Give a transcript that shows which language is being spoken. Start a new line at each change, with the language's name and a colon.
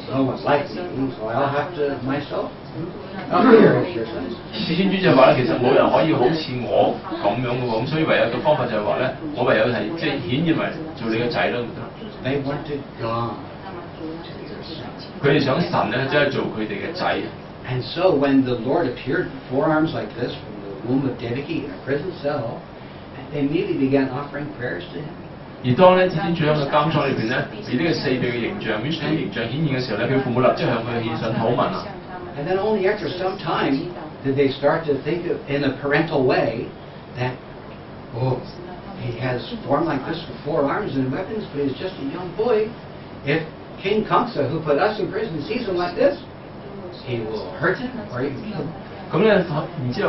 English: no one like me, so I'll have to myself. They wanted God to be themselves. And so when the Lord appeared with forearms like this from the womb of Devaki in a prison cell, they immediately began offering prayers to him.
Chinese: 而當天主在監倉裏面,以這個四臂的形象,Mishnu的形象顯現的時候,他父母立即向他獻上土民。
English: And then only after some time did they start to think of, in a parental way that, he has formed like this with four arms and weapons, but he's just a young boy. If King Kamsa, who put us in prison, sees him like this, he will hurt him or even kill him.